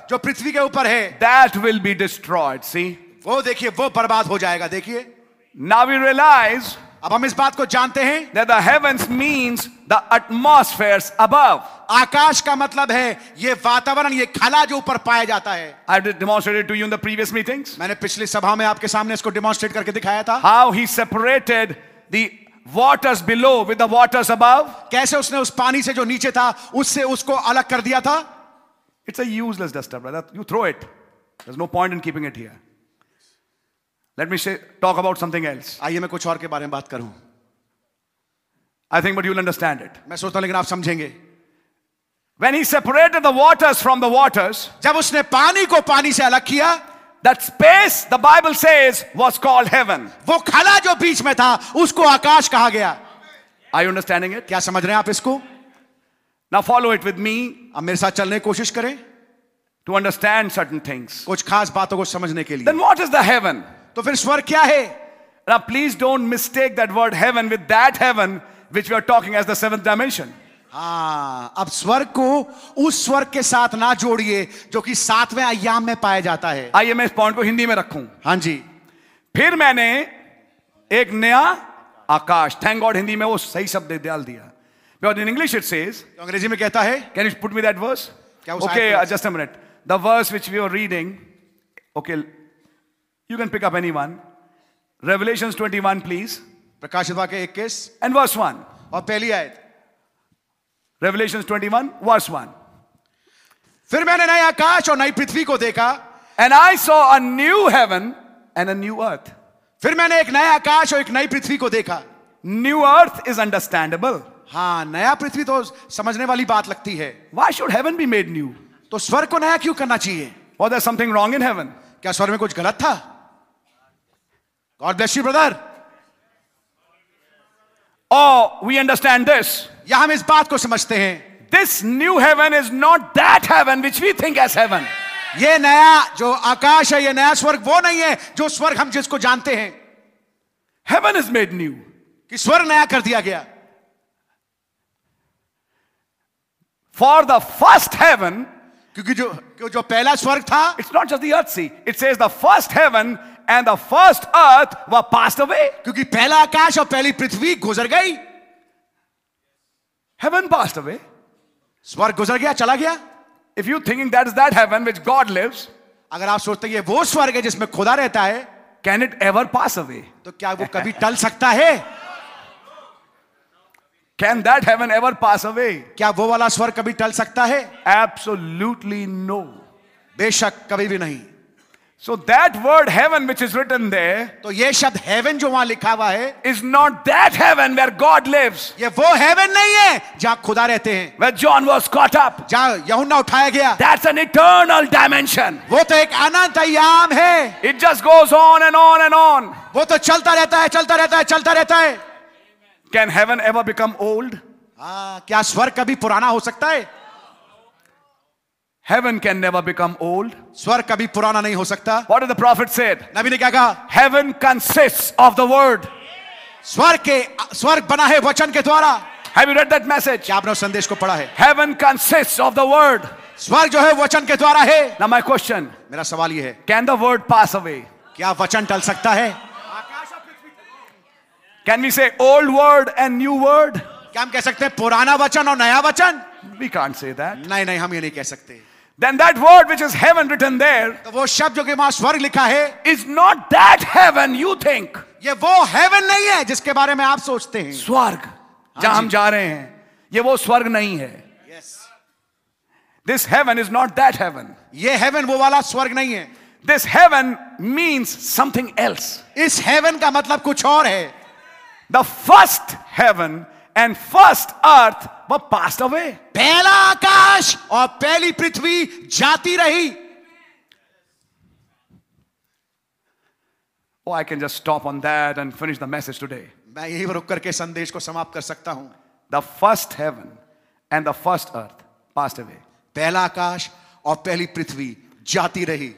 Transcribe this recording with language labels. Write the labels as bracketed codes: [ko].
[hi] जो पृथ्वी के ऊपर है. [en] That will be destroyed. See, [hi] वो देखिए वो बर्बाद हो जाएगा. देखिए, [en] Now we realize. [hi] अब हम इस बात को जानते हैं. [en] That the heavens means the atmospheres above. [hi] आकाश का मतलब है ये वातावरण, ये खला जो ऊपर पाया जाता है. [en] I demonstrated to you in the previous meetings. [hi] मैंने पिछली सभा में आपके सामने इसको डेमोन्स्ट्रेट करके दिखाया था. [en] How he separated the waters below with the waters above. [hi] कैसे उसने उस पानी से जो नीचे था उससे उसको अलग कर दिया था. [en] It's a useless duster, brother. You throw it. There's no point in keeping it here. Let me say, talk about something else. [hi] आइए मैं कुछ और के बारे में बात करूं. [en] I think, but you'll understand it. [hi] मैं सोचता हूं लेकिन आप समझेंगे. [en] When he separated the waters from the waters, [hi] जब उसने पानी को पानी से अलग किया, [en] that space, the Bible says, was called heaven. [hi] वो खला जो बीच में था उसको आकाश कहा गया. [en] Are you understanding it? [hi] क्या समझ रहे हैं आप इसको? [en] Now follow it with me. [hi] अब मेरे साथ चलने की कोशिश करें. [en] To understand certain things. [hi] कुछ खास बातों को समझने के लिए. [en] Then what is the heaven? [hi] तो फिर स्वर्ग क्या है? [en] Now please don't mistake that word heaven with that heaven which we are talking as the seventh dimension. [hi] अब स्वर्ग को उस स्वर्ग के साथ ना जोड़िए जो कि सातवें आयाम में पाया जाता है। आइए मैं इस पॉइंट को हिंदी में रखूं। हां जी, फिर मैंने एक नया आकाश, [en] thank God [hi] हिंदी में वो सही शब्द डाल दिया, [en] because in English it says, [hi] अंग्रेजी में कहता है, [en] can you put me that verse, okay just a minute, the verse which we are reading, okay you can pick up anyone, Revelations 21 please, [hi] प्रकाशित वाक्य 21 [en] and verse 1, [hi] और पहली आयत, [en] Revelations 21, verse 1. [hi] फिर मैंने नया आकाश और नई पृथ्वी को देखा, [en] and I saw a new heaven and a new earth. [hi] फिर मैंने एक नया आकाश और एक नई पृथ्वी को देखा. [en] New earth is understandable. [hi] हाँ, नया पृथ्वी तो समझने वाली बात लगती है. [en] Why should heaven be made new? [hi] तो स्वर्ग को नया क्यों करना चाहिए? [en] Was there something wrong in heaven? [hi] क्या स्वर्ग में कुछ गलत था? [en] God bless you, brother. Oh, we understand this. [hi] या हम इस बात को समझते हैं, [en] this new heaven is not that heaven which we think as heaven, [hi] ये नया जो आकाश है, ये नया स्वर्ग वो नहीं है जो स्वर्ग हम जिसको जानते हैं। [en] heaven is made new, [hi] कि स्वर्ग नया कर दिया गया। [en] for the first heaven, [hi] क्योंकि जो पहला स्वर्ग था, [en] it's not just the earth, see it says the first heaven and the first earth were passed away, [hi] क्योंकि पहला आकाश और पहली पृथ्वी गुजर गई। [en] Heaven passed away. [hi] स्वर्ग गुजर गया, चला गया। [en] If you thinking that is that heaven which God lives, [hi] अगर आप सोचते हैं ये वो स्वर्ग है जिसमें खुदा रहता है, [en] can it ever pass away? [hi] तो क्या वो कभी टल सकता है? [en] Can that heaven ever pass away? [hi] क्या वो वाला स्वर्ग कभी टल सकता है? [en] Absolutely no. [hi] बेशक कभी भी नहीं। [en] So that word heaven which is written there, [hi] तो ये शब्द heaven जो वहां लिखा हुआ है, [en] is not that heaven where God lives. [hi] ये वो heaven नहीं है जहां खुदा रहते हैं, [en] where John was caught up, [hi] जहां यूहन्ना उठाया गया। [en] That's an eternal dimension. [hi] वो तो एक अनंत आयाम है। [en] It just goes on and on and on. [hi] वो तो चलता रहता है, चलता रहता है, चलता रहता है। [en] Can heaven ever become old? [hi] क्या स्वर्ग कभी पुराना हो सकता है? [en] Heaven can never become old. [hi] स्वर्ग कभी पुराना नहीं हो सकता। [en] What did the prophet said? [hi] नबी ने क्या कहा? [en] Heaven consists of the word. [hi] स्वर्ग बना है वचन के द्वारा। [en] Have you read that message? [hi] क्या आपने उस संदेश को पढ़ा है? [en] Heaven consists of the word. [hi] स्वर्ग जो है वचन के द्वारा है। [en] Now my question. [hi] मेरा सवाल ये है। [en] Can the word pass away? [hi] क्या वचन टल सकता है? [en] Can we say old word and new word? [hi] क्या हम कह सकते हैं पुराना वचन और नया वचन? [en] We can't say that. [hi] नहीं नहीं, हम ये नहीं कह सकते। [en] Then that word which is heaven written there, [hi] तो वो शब्द जो कि वहाँ स्वर्ग लिखा है, [en] is not that heaven you think. [hi] ये वो heaven नहीं है जिसके बारे में आप सोचते हैं। स्वर्ग, जहाँ हम जा रहे हैं, ये वो स्वर्ग नहीं है। [en] Yes. This heaven is not that heaven. [hi] ये heaven वो वाला स्वर्ग नहीं है। [en] This heaven means something else. [hi] इस heaven का मतलब कुछ और है। [en] The first heaven and first earth. Passed away. [hi] पहला आकाश और पहली पृथ्वी जाती रही। [en] Oh, I can just stop on that and finish the message today. [hi] मैं यही रुक करके संदेश को समाप्त कर सकता हूं। [en] The first heaven and the first earth passed away. [hi] पहला आकाश और पहली पृथ्वी जाती रही।